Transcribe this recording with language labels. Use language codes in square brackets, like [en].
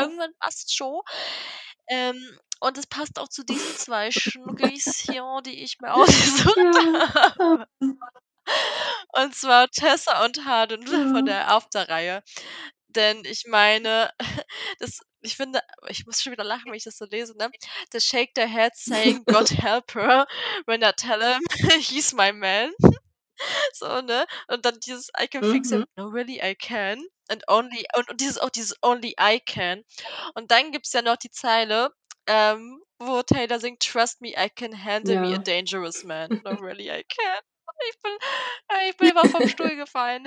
[de] Irgendwann passt schon. Und es passt auch zu diesen zwei Schnuggis hier, die ich mir ausgesucht habe. Und zwar Tessa und Harden von der After-Reihe. Denn ich meine, das, ich finde, ich muss schon wieder lachen, wenn ich das so lese, ne? [en] The shake their head saying, God help her, when I tell him, he's my man. [de] So, ne? Und dann dieses [en] I can fix him, no, really I can. And only, [de] und dieses auch dieses [en] only I can. [de] Und dann gibt's ja noch die Zeile, wo Taylor singt, [en] trust me, I can handle me a dangerous man. No, really I can. [de] Ich bin immer vom Stuhl gefallen.